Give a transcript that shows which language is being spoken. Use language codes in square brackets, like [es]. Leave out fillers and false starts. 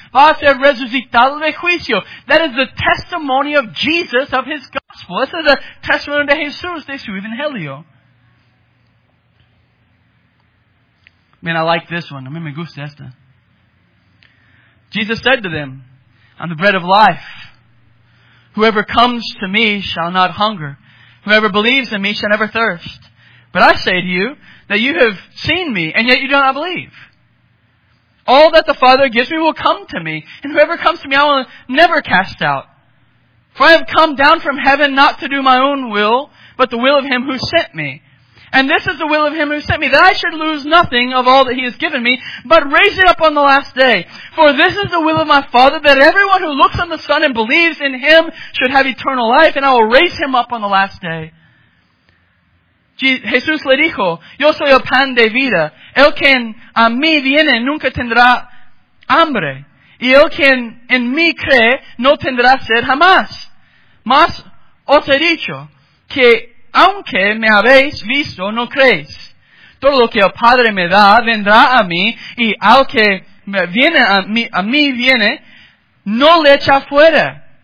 [es] Va a ser resucitado de juicio. [en] That is the testimony of Jesus of His gospel. This is the testimony of Jesus [es] de su Evangelio. [en] Man, I like this one. [es] A mí me gusta esta. [en] Jesus said to them, I'm the bread of life. Whoever comes to me shall not hunger. Whoever believes in me shall never thirst. But I say to you that you have seen me, and yet you do not believe. All that the Father gives me will come to me, and whoever comes to me I will never cast out. For I have come down from heaven not to do my own will, but the will of Him who sent me. And this is the will of Him who sent me, that I should lose nothing of all that He has given me, but raise it up on the last day. For this is the will of my Father, that everyone who looks on the Son and believes in Him should have eternal life, and I will raise him up on the last day. [es] Jesús le dijo, yo soy el pan de vida. El que a mí viene nunca tendrá hambre. Y el que en mí cree no tendrá sed jamás. Mas os he dicho que aunque me habéis visto, no creéis. Todo lo que el Padre me da vendrá a mí, y al que viene a mí viene, no le echa fuera.